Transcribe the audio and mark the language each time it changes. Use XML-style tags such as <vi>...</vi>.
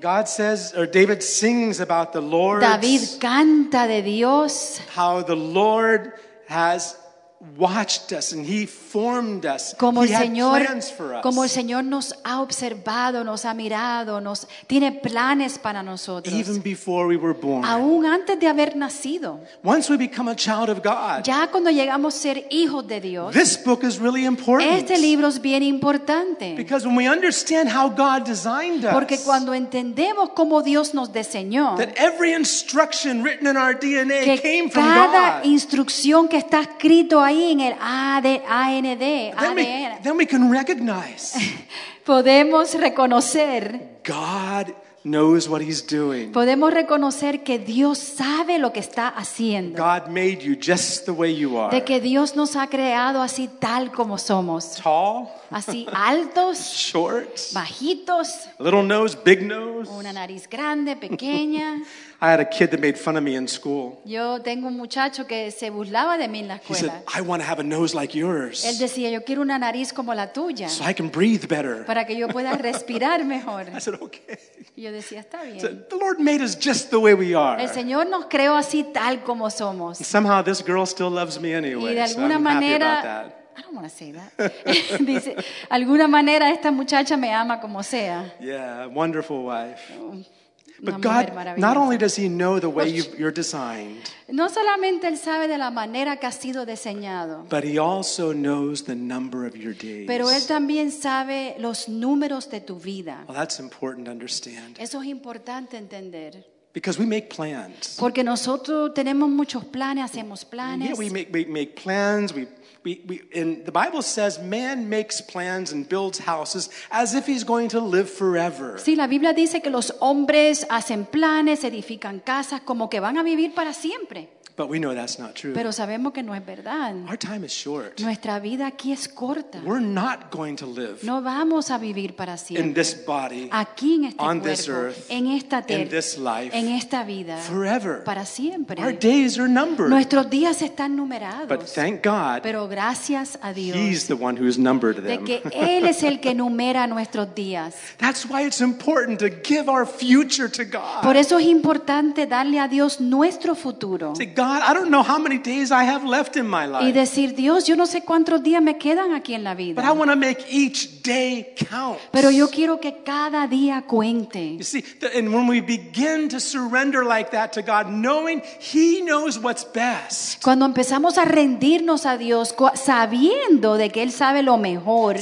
<en>God says, or David sings about the Lord.</en> <es>David canta de Dios.</es> <en>How the Lord has watched us and he formed us.</en> <es>Como</es> <en>he</en> <es>Señor,</es> <en>had plans for us.</en> <es>Como el Señor nos ha observado, nos ha mirado, nos tiene planes para nosotros.</es> <en>Even before we were born.</en> <es>Aún antes de haber nacido.</es> <en>Once we become a child of God.</en> <es>Ya cuando llegamos a ser hijos de Dios.</es> <en>This book is really important.</en> <es>Este libro es bien importante.</es> <en>Because when we understand how God designed us.</en> <es>Porque cuando entendemos cómo Dios nos diseñó.</es> <en>That every instruction written in our DNA came from God.</en> <es>Cada instrucción que está escrito ahí en el AND,</es> <en>then we can recognize.</en> <es>Podemos reconocer.</es> <en>God knows what he's doing.</en> <es>Podemos reconocer que Dios sabe lo que está haciendo.</es> <en>God made you just the way you are.</en> <es>De que Dios nos ha creado así tal como somos.</es> <en>Tall.</en> <es>Así altos.</es> <en>Short.</en> <es>Bajitos.</es> <en>Little nose, big nose.</en> <es>Una nariz grande, pequeña.</es> <en>I had a kid that made fun of me in school.</en> <es>Yo tengo un muchacho que se burlaba de mí en la escuela.</es> <en>He said, "I want to have a nose like yours."</en> <es>Él decía, "Yo quiero una nariz como la tuya."</es> <en>So I can breathe better.</en> <es>Para que yo pueda respirar mejor.</es> <en>I said, "Okay."</en> <es>Yo decía, "Está bien."</es> <en>So the Lord made us just the way we are.</en> <es>El Señor nos creó así tal como somos.</es> <en>And somehow this girl still loves me anyway.</en> <es>Y de alguna</es> <en>so I'm</en> <es>manera,</es> <en>happy about that. I don't want to say that.</en> <es>Dice, "Alguna manera esta muchacha me ama como sea."</es> <en>Yeah, wonderful wife. But God, not only does he know the way you're designed,</en> <es>no solamente él sabe de la manera que ha sido diseñado,</es> <en>but he also knows the number of your days.</en> <es>Pero él también sabe los números de tu vida.</es> <en>Well, that's important to understand.</en> <es>Eso es importante entender.</es> <en>Because we make plans.</en> <es>Porque nosotros tenemos muchos planes, hacemos planes.</es> <en>Yeah, we make plans. We and the Bible says man makes plans and builds houses as if he's going to live forever.</en> <es>Sí, la Biblia dice que los hombres hacen planes, edifican casas como que van a vivir para siempre.</es> <en>But we know that's not true.</en> <es>Pero sabemos que no es verdad.</es> <en>Our time is short.</en> <es>Nuestra vida aquí es corta.</es> <en>We're not going to live.</en> <es>No vamos a vivir para siempre.</es> <en>In this body.</en> <es>Aquí en este</es> <en>on</en> <es>cuerpo,</es> <en>this earth.</en> <es>En esta tierra,</es> <en>in this life.</en> <es>En esta vida.</es> <en>Forever.</en> <es>Para siempre.</es> <en>Our days are numbered.</en> <es>Nuestros días están numerados.</es> <en>But thank God.</en> <es>Pero gracias a Dios.</es> <en>He's the one who's numbered them.</en> <es>De que él es el que numera nuestros días.</es> <en>That's why it's important to give our future to God.</en> <es>Por eso es importante darle a Dios nuestro futuro.</es> <en>God, I don't know how many days I have left in my life.</en> <es>Y decir, Dios, yo no sé cuántos días me quedan aquí en la vida.</es> <en>But I want to make each day count.</en> <es>Pero yo quiero que cada día cuente.</es> <en>You see, and when we begin to surrender like that to God, knowing He knows what's best.</en> <es>Cuando empezamos a rendirnos a Dios, sabiendo de que Él sabe lo mejor.</es>